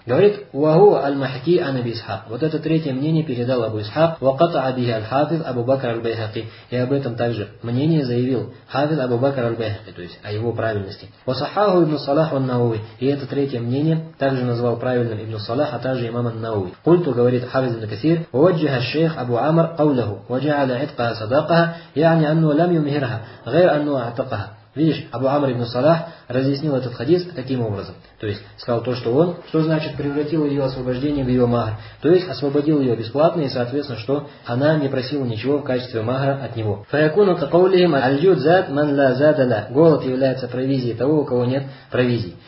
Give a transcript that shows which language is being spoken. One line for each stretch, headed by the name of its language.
Russian: Говорит,
Arabic: «Уаху аль-махки ан Аби Исхак».
Russian: Вот это третье мнение передал Абу Исхак.
Arabic: «Вакатаа бихи аль-хафиз Абу Бакр аль-Байхаки».
Russian: И об этом также мнение заявил Хафиз Абу Бакр аль-Байхаки, то есть о его правильности.
Arabic: «Васахаху ибн Салах ван Науи».
Russian: И это третье мнение также назвал правильным ибн Салах, а также имам ан-Науи.
Arabic: Культу,
Russian: говорит Хафиз ибн Касир,
Arabic: «Уваджиха الشيخ أبو عامر قوله وجعل عتقها صداقها يعني أنه لم يمهرها غير أنه أعتقها.
Russian: Видишь, Абу Амр ибн Салах разъяснил этот хадис таким образом. То есть, сказал то, что он, что значит превратил ее освобождение в ее махр. То есть, освободил ее бесплатно и, соответственно, что она не просила ничего в качестве махра от него.
Arabic: Фаякуну какаулихим аль-джуд зад ман ла зада ла.
Russian: Голод является провизией того, у кого нет провизии.